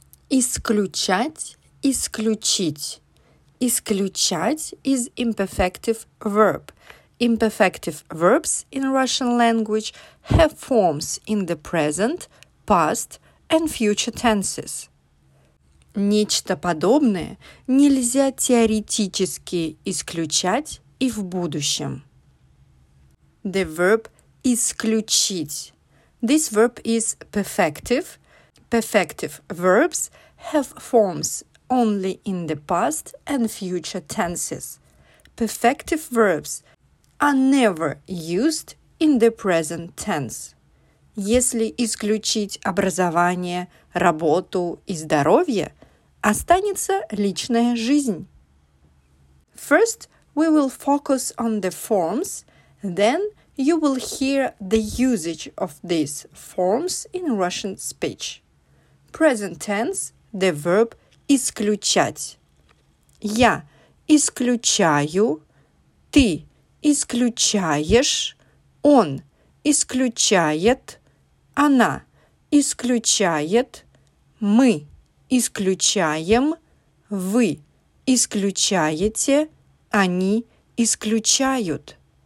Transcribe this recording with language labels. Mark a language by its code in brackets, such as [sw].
[ru] Исключать, исключить. Исключать [en] is imperfective verb. Imperfective verbs in Russian language have forms in the present, past, and future tenses. [ru] Нечто подобное нельзя теоретически исключать и в будущем. [en] The verb исключить. This verb is perfective. Perfective verbs have forms only in the past and future tenses. Perfective verbs are never used in the present tense. [ru] Если исключить образование, работу и здоровье, останется личная жизнь. [en] First, we will focus on the forms, then you will hear the usage of these forms in Russian speech. Present tense, the verb исключать. [ru] Я исключаю, ты исключаешь, он исключает, она исключает, мы исключаем, вы исключаете, они исключают.